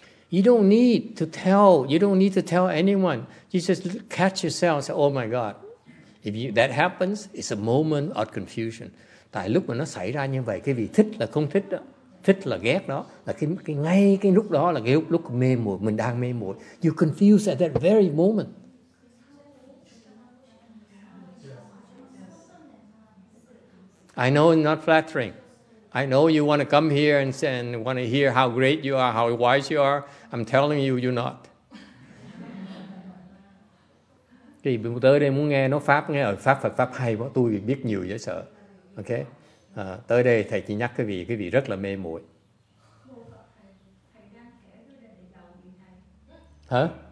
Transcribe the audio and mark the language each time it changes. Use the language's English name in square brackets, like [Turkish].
[English] You don't need to tell anyone. You just catch yourself and say, oh my God. If you, that happens, it's a moment of confusion. [Vietnamese] Tại lúc mà nó xảy ra như vậy, cái vị thích là không thích đó, thích là ghét đó, là cái ngay cái lúc đó là cái lúc mê muội, mình đang mê muội. [English] You're confused at that very moment. I know it's not flattering. I know you want to come here and want to hear how great you are, how wise you are. I'm telling you, you're not. [Vietnamese] Cái gì tới đây muốn nghe nó pháp, nghe ở pháp Phật pháp hay quá, tôi biết nhiều dễ sợ. Ok, tới đây thầy chỉ nhắc cái vị rất là mê muội. Hả?